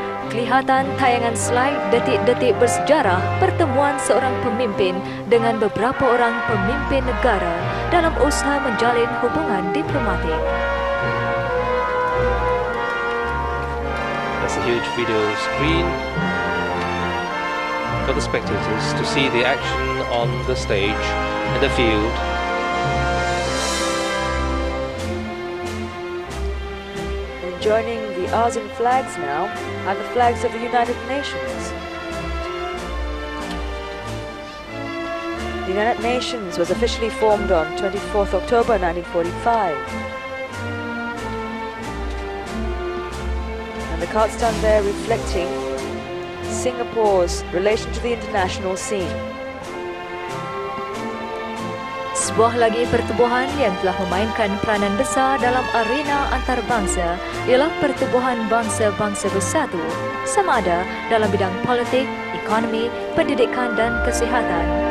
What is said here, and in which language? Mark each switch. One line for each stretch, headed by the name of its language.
Malay: Kelihatan tayangan slide detik-detik bersejarah pertemuan seorang pemimpin dengan beberapa orang pemimpin negara dalam usaha menjalin hubungan diplomatik.
English: That's a huge video screen for the spectators to see the action on the stage and the field. Joining the ASEAN flags now are the flags of the United Nations. The United Nations was officially formed on 24th October 1945. And the card stand there reflecting Singapore's relation to the international scene.
Malay: Sebuah lagi pertubuhan yang telah memainkan peranan besar dalam arena antarabangsa ialah pertubuhan bangsa-bangsa bersatu, sama ada dalam bidang politik, ekonomi, pendidikan dan kesihatan.